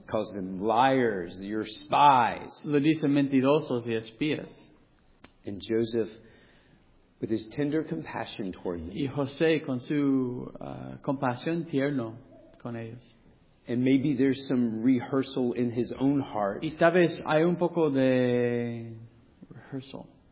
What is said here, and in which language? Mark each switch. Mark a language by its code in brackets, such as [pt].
[en] calls them liars, your spies. [es] Le dice mentirosos y espías. [en] And Joseph, with his tender compassion toward them, [es] y José con su compasión tierno con ellos. [en] And maybe there's some rehearsal in his own heart. [es] Y tal vez hay un poco de rehearsal.